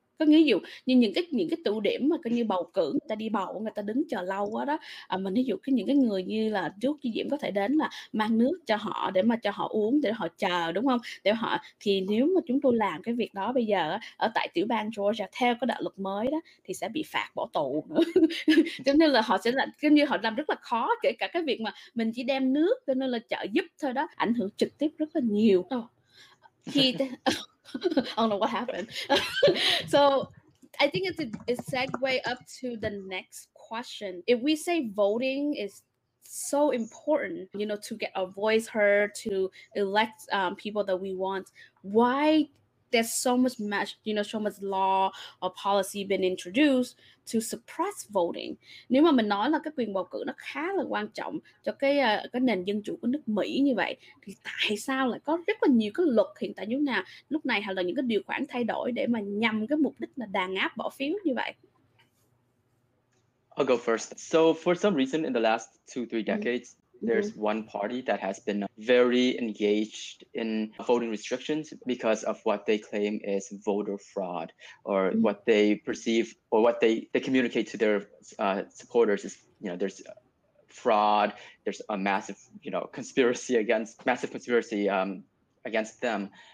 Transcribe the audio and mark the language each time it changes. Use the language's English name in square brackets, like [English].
[Vietnamese] Có nghĩa dụ như những cái tụ điểm mà coi như bầu cử, người ta đi bầu, người ta đứng chờ lâu quá đó, mình ví dụ cái những cái người như là trước khi Diễm có thể đến là mang nước cho họ để mà cho họ uống, để họ chờ, đúng không, để họ, thì nếu mà chúng tôi làm cái việc đó bây giờ ở tại tiểu bang Georgia theo cái đạo luật mới đó thì sẽ bị phạt bỏ tù nữa. Cho nên là họ sẽ là coi như họ làm rất là khó, kể cả cái việc mà mình chỉ đem nước cho nên là trợ giúp thôi đó, ảnh hưởng trực tiếp rất là nhiều. [English] Khi oh no, what happened? So I think it's a segue up to the next question. If we say voting is so important, you know, to get our voice heard, to elect people that we want, why there's so much so much law or policy been introduced to suppress voting? [Vietnamese] Nếu mà mình nói là cái quyền bầu cử nó khá là quan trọng cho cái nền dân chủ của nước Mỹ như vậy, thì tại sao lại có rất là nhiều cái luật hiện tại như thế nào lúc này, hay là những cái điều khoản thay đổi để mà nhằm cái mục đích là đàn áp bỏ phiếu như vậy? [English] I'll go first. So for some reason in the last 2-3 decades, there's one party that has been very engaged in voting restrictions because of what they claim is voter fraud, or what they perceive, or what they communicate to their supporters is, you know, there's fraud, there's a massive, you know, conspiracy against them.